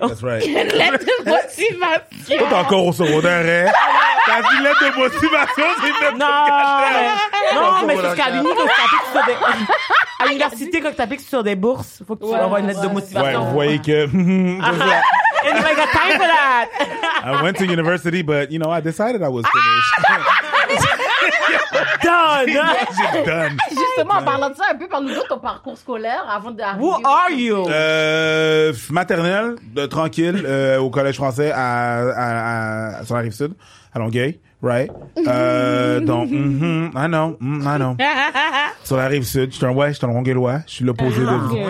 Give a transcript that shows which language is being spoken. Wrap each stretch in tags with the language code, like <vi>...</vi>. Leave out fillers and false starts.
<en>That's right.</en> <fr>Une lettre de motivation. Tout encore au secondaire, hein? T'as dit lettre de motivation, c'est une lettre de motivation. Non, mais c'est ce qu'à à l'université, quand t'appliques sur des bourses, il faut que tu envoies une lettre de motivation. Ouais, vous voyez que...</fr> <en>Anyway, I got time for that. I went to university, but you know, I decided I was finished. done.</en> <fr>Justement, en parlant de ça, un peu par nous autres, ton parcours scolaire avant d'arriver.</fr> <en>Who are you?</en> <fr>Maternelle, tranquille, au collège français à sur la rive sud, à Longueuil, right?</fr> <en>I know.</en> <fr>Sur la rive sud, je suis un Longueuilois, je suis l'opposé de vous.</fr>